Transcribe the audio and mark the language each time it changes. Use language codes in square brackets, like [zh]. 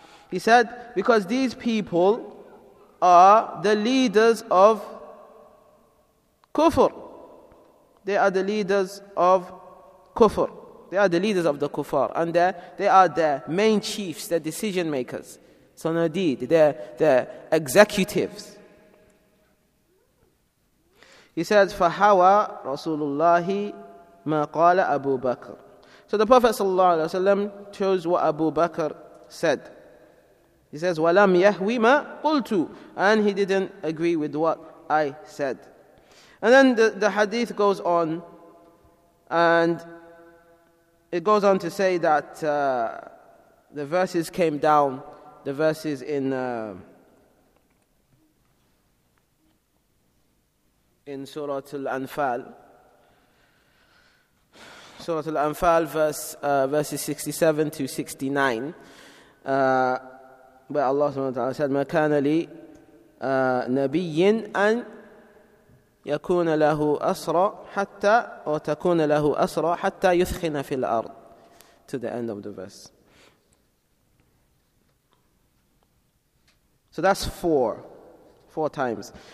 [en] He said, because these people are the leaders of kufr. They are the leaders of kufr. They are the leaders of the kufr. And they are the main chiefs, the decision makers. Sanadid, the executives. He said, [ar] فَحَوَى رَسُولُ اللَّهِ مَا قَالَ أَبُو بَكْرِ. [en] So the Prophet sallallahu alaihi wasallam chose what Abu Bakr said. He says, [ar] "Walam yahwi ma qultu," [en] and he didn't agree with what I said. And then the hadith goes on, and it goes on to say that the verses came down. The verses in Surah Al-Anfal. Surah Al-Anfal, verses 67 to 69. But Allah subhanahu wa ta'ala said, [ar] مَا كَانَ لِنَبِيٍ أَن يَكُونَ لَهُ أَسْرَى حَتَّى وَتَكُونَ لَهُ أَسْرَى حَتَّى يُثْخِنَ فِي الْأَرْضِ. [en] To the end of the verse. So that's four times.